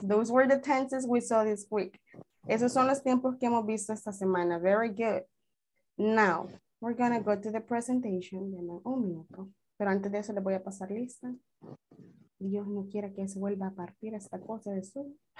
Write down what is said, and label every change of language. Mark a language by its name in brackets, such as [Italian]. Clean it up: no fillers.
[English] Those were the tenses we saw this week. [Spanish] Esos son los tiempos que hemos visto esta semana. [English] Very good. Now, we're going to go to the presentation. [Spanish] Un minuto. Pero antes de eso, le voy a pasar lista. Dios no quiera que se vuelva a partir esta cosa de Zoom.